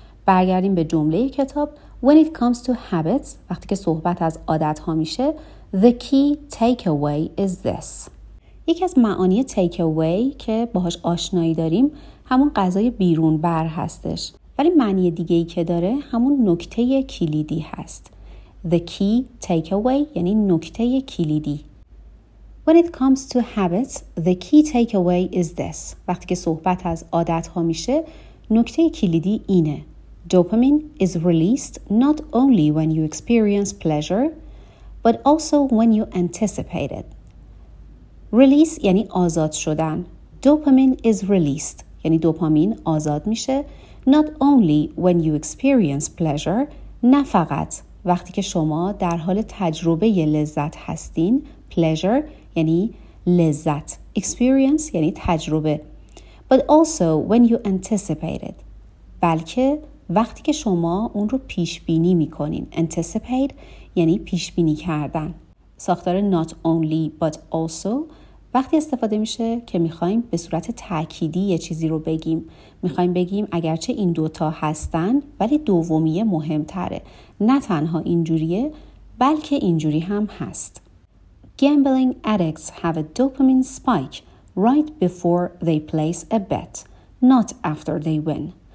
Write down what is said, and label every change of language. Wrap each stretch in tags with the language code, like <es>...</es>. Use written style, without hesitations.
<fa>برگردیم به جمله کتاب.</fa> <en>When it comes to habits،</en> <fa>وقتی که صحبت از عادت‌ها میشه،</fa> <en>the key takeaway is this.</en> <fa>یکی از معانی takeaway که باهاش آشنایی داریم همون غذای بیرون بر هستش، ولی معنی دیگه‌ای که داره همون نکته کلیدی هست.</fa> <en>The key takeaway</en> <fa>یعنی نکته کلیدی.</fa> <en>When it comes to habits, the key takeaway is this.</en> <fa>وقتی که صحبت از عادت‌ها میشه، نکته کلیدی اینه.</fa> <en>Dopamine is released not only when you experience pleasure, but also when you anticipate it.</en> <fa>Release یعنی آزاد شدن.</fa> <en>Dopamine is released</en> <fa>یعنی دوپامین آزاد میشه.</fa> <en>Not only when you experience pleasure،</en> <fa>نه فقط وقتی که شما در حال تجربه لذت هستین. Pleasure یعنی لذت. Experience یعنی تجربه.</fa> <en>But also when you anticipate it،</en> <fa>بلکه وقتی که شما اون رو پیش بینی میکنین. Anticipate یعنی پیش بینی کردن. ساختار not only but also وقتی استفاده میشه که میخوایم به صورت تأکیدی یه چیزی رو بگیم. میخوایم بگیم اگرچه این دوتا هستن، ولی دومیه مهمتره. نه تنها اینجوریه، بلکه اینجوری هم هست.</fa> <en>Gambling addicts have a dopamine spike right before they place a bet, not after they win.</en>